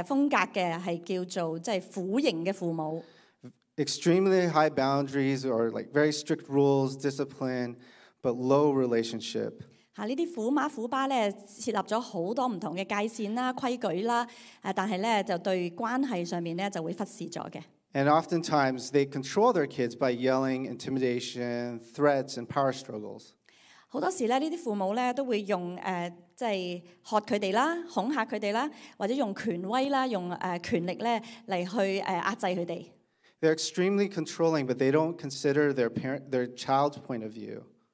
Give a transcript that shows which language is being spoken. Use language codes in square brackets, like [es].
[zh] 不久的以前有人寫過一本書,關於這個教養孩童的風格,是叫做虎形的父母。 [en] Extremely high boundaries or like very strict rules, discipline, but low relationship. [zh] 這些虎媽虎爸設立了很多不同的界線、規矩,但是對關係上就會忽視了。 [en] And oftentimes they control their kids by yelling, intimidation, threats, and power struggles. [zh] 很多時候這些父母都會用喝他們、恐嚇他們、或者用權威、用權力來去壓制他們。 [en] They're extremely controlling, but they don't consider their child's point of view.